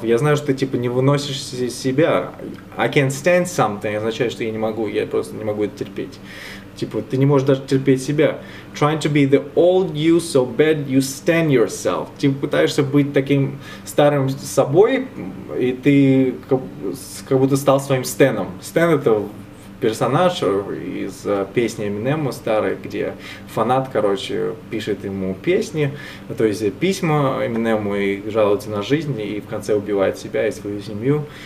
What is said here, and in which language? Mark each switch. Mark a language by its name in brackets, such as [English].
[Russian] Я знаю, что ты, типа, не выносишь себя. [English] I can't stand something. [Russian] Означает, что я не могу, я просто не могу это терпеть. Типа, ты не можешь даже терпеть себя. [English] Trying to be the old you so bad you stand yourself. [Russian] Типа, пытаешься быть таким старым собой, и ты как будто стал своим Стэном. Стэн — это персонаж из песни Eminem старой, где фанат, короче, пишет ему песни, то есть письма Eminem, и жалуется на жизнь, и в конце убивает себя и свою семью.